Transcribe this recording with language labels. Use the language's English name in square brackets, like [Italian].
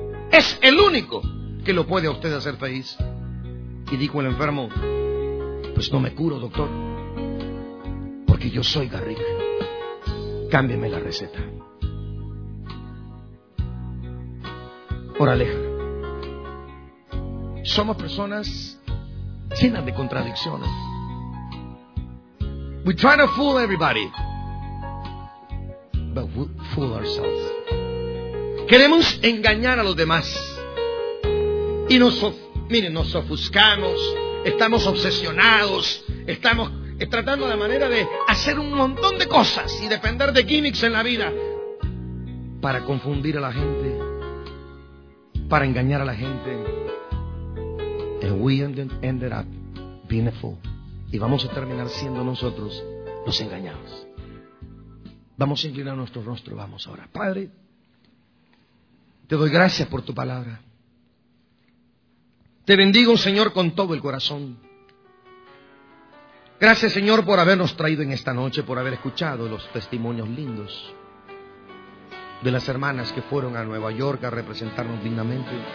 [Spanish] Es el único que lo puede a usted hacer feliz. Y dijo el enfermo: pues no me curo, doctor, porque yo soy Garrick. Cámbiame la receta. Oraleja. somos personas llenas de contradicciones. [English] We try to fool everybody, but we fool ourselves. [Spanish] Queremos engañar a los demás. Y nos ofuscamos, estamos obsesionados, estamos tratando la manera de hacer un montón de cosas y depender de gimmicks en la vida para confundir a la gente, para engañar a la gente. [English] And we ended up being a fool. [Spanish] Y vamos a terminar siendo nosotros los engañados. Vamos a inclinar nuestro rostro, vamos ahora. Padre, te doy gracias por tu palabra. Te bendigo, Señor, con todo el corazón. Gracias, Señor, por habernos traído en esta noche, por haber escuchado los testimonios lindos de las hermanas que fueron a Nueva York a representarnos dignamente.